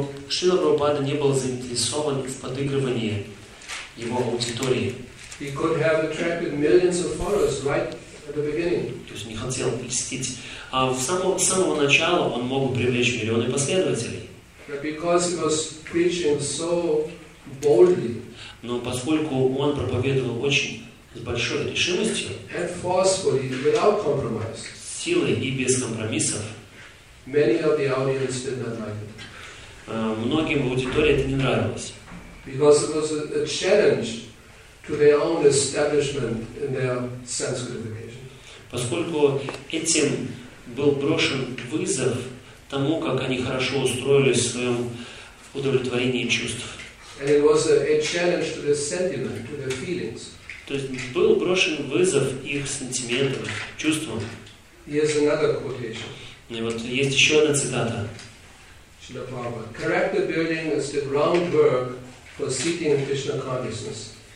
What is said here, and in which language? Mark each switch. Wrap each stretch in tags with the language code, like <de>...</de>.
<ru>Шрила Прабхупада не был заинтересован в подыгрывании его аудитории.</ru> <en>He could have attracted millions of followers right at the beginning.</en> <ru>То есть не хотел блестить. А с самого начала он мог привлечь миллионы последователей.</ru> <en>But because he was preaching so boldly.</en> <ru>Но поскольку он проповедовал очень с большой решимостью.</ru> <en>And forcefully, without compromise.</en> <ru>Силы и без компромиссов.</ru> <en>Many of the audience did not like it.</en> <ru>Многим в аудитории это не нравилось.</ru> <en>Because it was a challenge to their own establishment and their sense of education.</en> <ru>Поскольку этим был брошен вызов тому, как они хорошо устроились в своем удовлетворении чувств.</ru> <en>And it was a challenge to their sentiment, to their feelings.</en> <ru>То есть был брошен вызов их сантиментам, чувствам.</ru> <en>Here's another quotation.</en> <ru>И вот есть еще одна цитата. Шрила Прабхупада.</ru> <en>Correct the building as the groundwork for seating in Krishna consciousness.</en>